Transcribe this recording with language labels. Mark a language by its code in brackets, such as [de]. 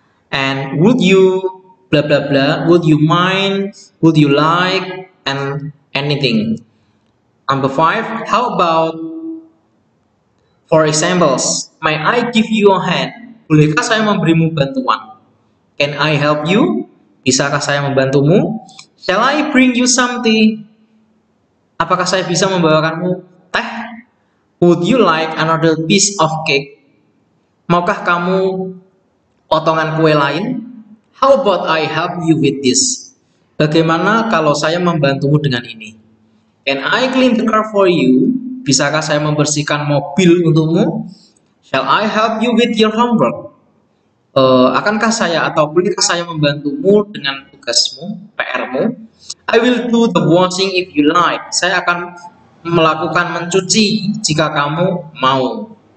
[en] And would you, blah blah blah, would you mind, would you like, and anything. Number five, how about, for examples, may I give you a hand? [id] Bolehkah saya memberimu bantuan? [en] Can I help you? [id] Bisakah saya membantumu? [en] Shall I bring you something? [id] Apakah saya bisa membawakanmu teh? [en] Would you like another piece of cake? [id] Maukah kamu potongan kue lain? [en] How about I help you with this? [id] Bagaimana kalau saya membantumu dengan ini? [en] Can I clean the car for you? [id] Bisakah saya membersihkan mobil untukmu? [en] Shall I help you with your homework? [id] Akankah saya atau bolehkah saya membantumu dengan tugasmu, PR-mu? [en] I will do the washing if you like. [id] Saya akan melakukan mencuci jika kamu mau.